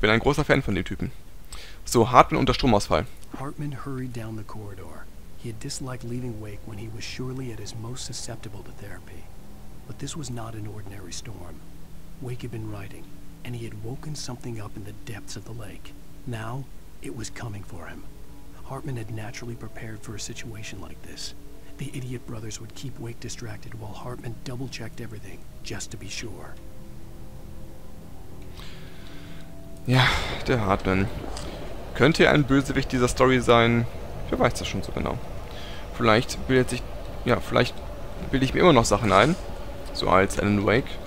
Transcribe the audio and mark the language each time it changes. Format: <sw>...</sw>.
<de>Bin ein großer Fan von dem Typen. So, Hartmann unter Stromausfall.</de> <en>Hartmann hurried down the corridor. He had disliked leaving Wake when he was surely at his most susceptible to therapy. But this was not an ordinary storm. Wake had been riding, and he had woken something up in the depths of the lake. Now, it was coming for him. Hartmann had naturally prepared for a situation like this. The idiot brothers would keep Wake distracted while Hartmann double-checked everything, just to be sure.</en> <de>Ja, der Hartmann. Könnte er ein Bösewicht dieser Story sein? Wer weiß das schon so genau. Vielleicht bildet sich. Ja, vielleicht bilde ich mir immer noch Sachen ein. So als Alan Wake.</de>